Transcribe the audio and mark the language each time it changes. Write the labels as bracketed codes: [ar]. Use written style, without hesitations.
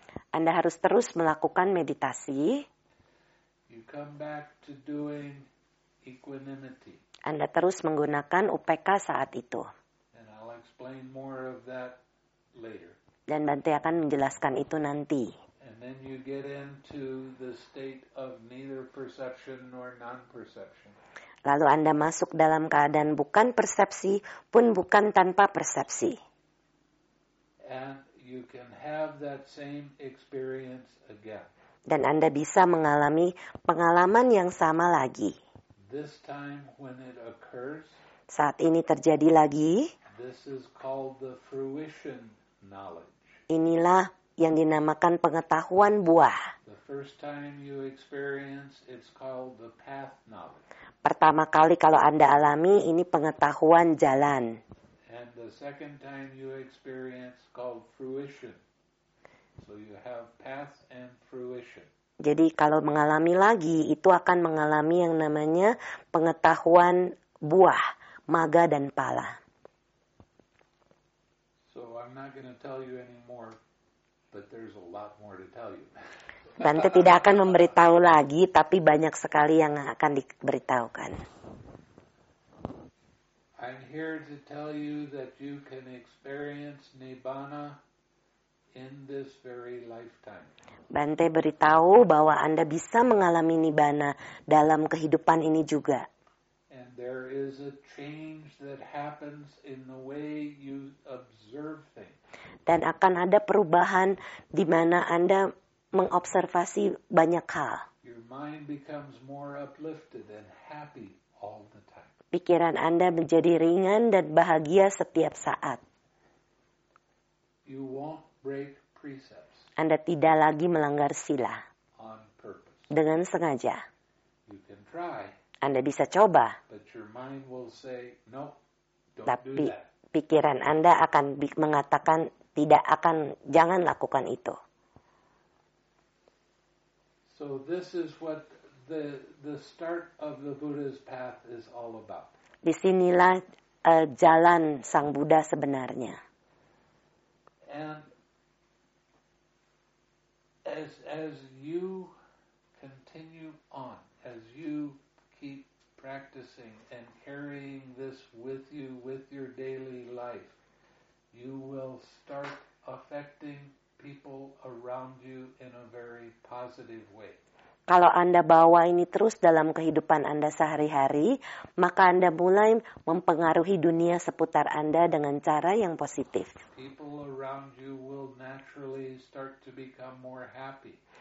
[id] Anda harus terus melakukan meditasi. [en] You come back to doing equanimity. [id] Anda terus menggunakan UPK saat itu. [en] And I'll explain more of that later. [id] Dan Bhante akan menjelaskan itu nanti. [en] And then you get into the state of neither perception nor non-perception. [id] Lalu Anda masuk dalam keadaan bukan persepsi pun bukan tanpa persepsi. [en] And you can have that same experience again. [id] Dan Anda bisa mengalami pengalaman yang sama lagi. [en] This time when it occurs, [id] saat ini terjadi lagi. [en] This is called the fruition knowledge. [id] Inilah yang dinamakan pengetahuan buah. [en] The first time you experience, it's called the path knowledge. [id] Pertama kali kalau Anda alami, ini pengetahuan jalan. [en] And the second time you experience called fruition. So you have path and fruition. [id] Jadi kalau mengalami lagi, itu akan mengalami yang namanya pengetahuan buah, maga dan pala. [en] So I'm not going to tell you anymore, but there's a lot more to tell you. [id] Bante tidak akan memberitahu lagi, tapi banyak sekali yang akan diberitahukan. [en] I'm here to tell you that you can experience Nibbana in this very lifetime. [id] Bante beritahu bahwa Anda bisa mengalami Nibbana dalam kehidupan ini juga. [en] And there is a change that happens in the way you observe things. [id] Dan akan ada perubahan di mana Anda mengobservasi banyak hal. [en] Your mind becomes more uplifted and happy all the time. [id] Pikiran Anda menjadi ringan dan bahagia setiap saat. [en] You won't break precepts. [id] Anda tidak lagi melanggar sila. [en] On purpose. [id] Dengan sengaja. [en] You can try. [id] Anda bisa coba. [en] But your mind will say, no, don't [id] tapi [en] do that. [id] Pikiran Anda akan mengatakan tidak akan jangan lakukan itu. [en] So this is what the start of the Buddha's path is all about. [id] Di sinilah jalan Sang Buddha sebenarnya. [en] And as you continue on, as you keep practicing and carrying this with you with your daily life, you will start affecting people around you in a very positive way. [id] Kalau Anda bawa ini terus dalam kehidupan Anda sehari-hari, maka Anda mulai mempengaruhi dunia seputar Anda dengan cara yang positif. [en] People around you will naturally start to become more happy.